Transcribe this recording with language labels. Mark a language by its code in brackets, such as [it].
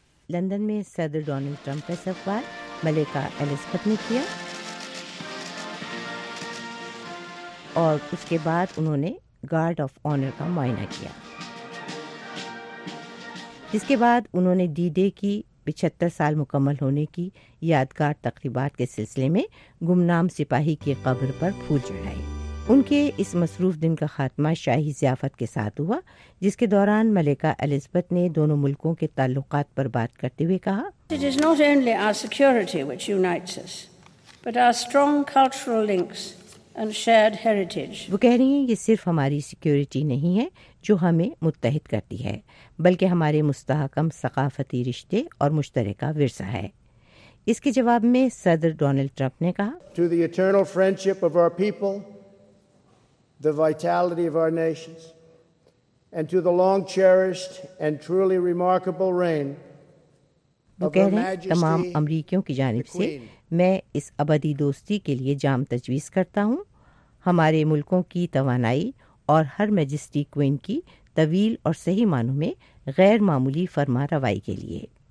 [ur] London میں صدر Donald Trump کا سفر ملکہ الزبتھ نے کیا اور اس کے بعد انہوں نے گارڈ آف آنر کا معائنہ کیا, جس کے بعد انہوں نے ڈی ڈے کی 75 سال مکمل ہونے کی یادگار تقریبات کے سلسلے میں گمنام سپاہی کی قبر پر پھول چڑھائے. ان کے اس مصروف دن کا خاتمہ شاہی ضیافت کے ساتھ ہوا, جس کے دوران ملکہ الزبتھ نے دونوں ملکوں کے تعلقات پر بات کرتے ہوئے کہا, [en] It is not only our security which unites us, but our strong cultural links and shared heritage. [ur] وہ کہہ رہی ہیں, یہ صرف ہماری سیکیورٹی نہیں ہے جو ہمیں متحد کرتی ہے, بلکہ ہمارے مستحکم ثقافتی رشتے اور مشترکہ ورثہ ہے. اس کے جواب میں صدر ڈونلڈ ٹرمپ نے کہا, [en] To the eternal friendship of our people, the vitality of our nations, and to the long cherished and truly remarkable reign [ur] وہ کہہ رہے ہیں, تمام امریکیوں کی جانب سے میں اس ابدی دوستی کے لیے جام تجویز کرتا ہوں, ہمارے ملکوں کی توانائی اور ہر میجسٹی کوئن کی طویل اور صحیح معنوں میں غیر معمولی فرما روائی کے لیے.